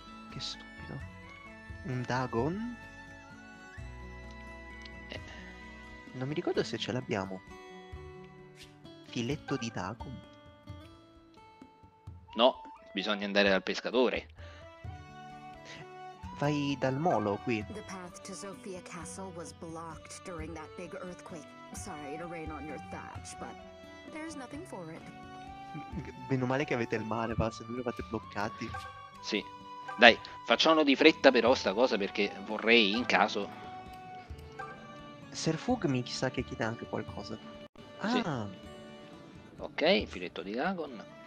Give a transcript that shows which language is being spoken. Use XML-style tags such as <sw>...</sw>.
<it>Che stupido. Un Dagon? Non mi ricordo se ce l'abbiamo. Filetto di Dagon. No, bisogna andare dal pescatore. Vai dal molo qui.</it> <en>The path to Sophia Castle was blocked during that big earthquake. Sorry to rain on your thatch, but there's nothing for it.</en> <it>Meno male che avete il mare, va, se non eravate bloccati. Sì. Dai, facciamolo di fretta però sta cosa, perché vorrei in caso. Serfug mi chissà che chiede anche qualcosa. Ah. Sì. Ok, filetto di Dagon.</it>